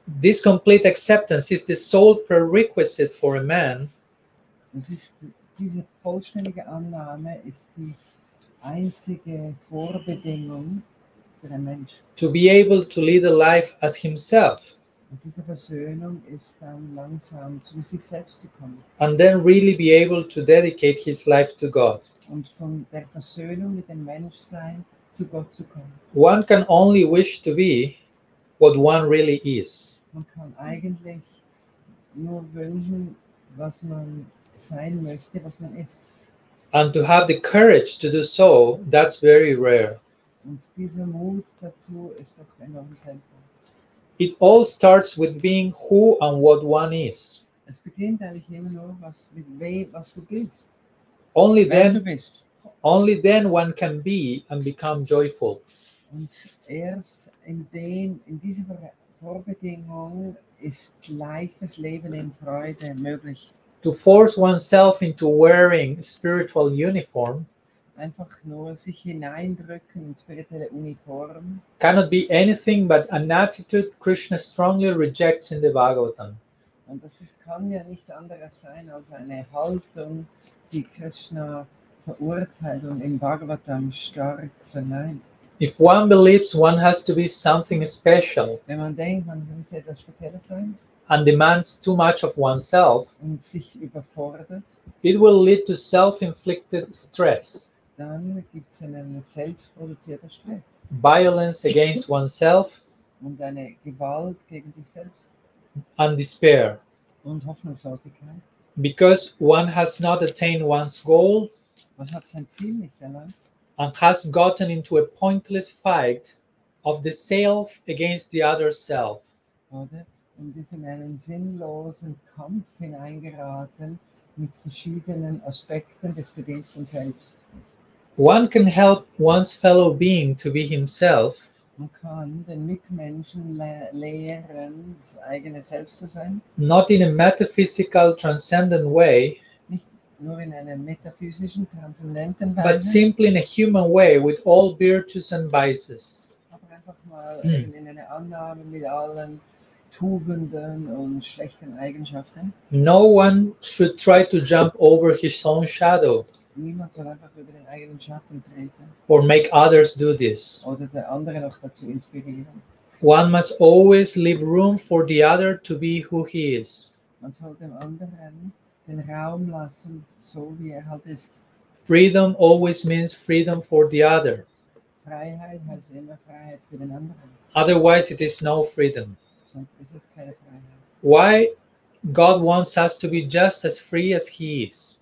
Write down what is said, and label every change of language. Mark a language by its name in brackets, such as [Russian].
[English] This complete acceptance is the sole prerequisite for a man. [German] Das ist, diese vollständige Annahme ist die einzige Vorbedingung für einen Mensch. [English] To be able to lead a life as himself. [German] Und diese Versöhnung ist dann langsam zu sich selbst zu kommen. [English] And then really be able to dedicate his life to God. [German] Und von der Versöhnung mit dem Menschsein zu Gott zu kommen. [English] One can only wish to be what one really is. [German] Man kann eigentlich nur wünschen, was man sein möchte, was man ist. [English] And to have the courage to do so, that's very rare. [German] Und dieser Mut dazu ist doch enorm selten. [English] It all starts with being who and what one is. [German] Es beginnt eigentlich immer nur was du bist. [English] Only then, [German] du bist. [English] Only then one can be and become joyful. [German] Und erst in dieser Vorbedingung ist leichtes Leben in Freude möglich. [English] To force oneself into wearing a spiritual uniform, [German] einfach nur sich hineindrücken, spirituelle Uniform, [English] cannot be anything but an attitude Krishna strongly rejects in the Bhagavatam. [German] Und das ist, kann ja nichts anderes sein als eine Haltung, die Krishna verurteilt und im Bhagavatam stark verneint. [English] If one believes one has to be something special, [German] wenn man denkt, man muss etwas Spezielles sein, [English] and demands too much of oneself, [German] und sich überfordert, [English] it will lead to self-inflicted stress. [German] Dann gibt's einen selbstproduzierten Stress. [English] Violence against oneself. [German] Und eine Gewalt gegen sich selbst. [English] And despair. [German] Und Hoffnungslosigkeit. [English] Because one has not attained one's goal. [German] Man hat sein Ziel nicht erlangt. [English] And has gotten into a pointless fight of the self against the other self. [German] Oder? Und ist in einen sinnlosen Kampf hineingeraten mit verschiedenen Aspekten des bedingten Selbst. [English] One can help one's fellow being to be himself. [German] Man kann den Mitmenschen lehren, das eigene Selbst zu sein. [English] Not in a metaphysical, transcendent way. [German] Nur in einem metaphysischen, transzendenten Weise. [English] But simply in a human way with all virtues and vices. [German] Aber einfach mal in eine Annahme mit allen Tugenden und schlechten Eigenschaften. [English] No one should try to jump over his own shadow. [German] Niemand soll einfach über den eigenen Schatten treten. [English] Or make others do this. [German] Oder der andere noch dazu inspirieren. [English] One must always leave room for the other to be who he is. [German] Man soll dem anderen den Raum lassen, so wie er halt ist. [English] Freedom always means freedom for the other. [German] Freiheit heißt immer Freiheit für den anderen. [English] Otherwise it is no freedom. [German] Sonst ist es keine Freiheit. [English] Why God wants us to be just as free as he is?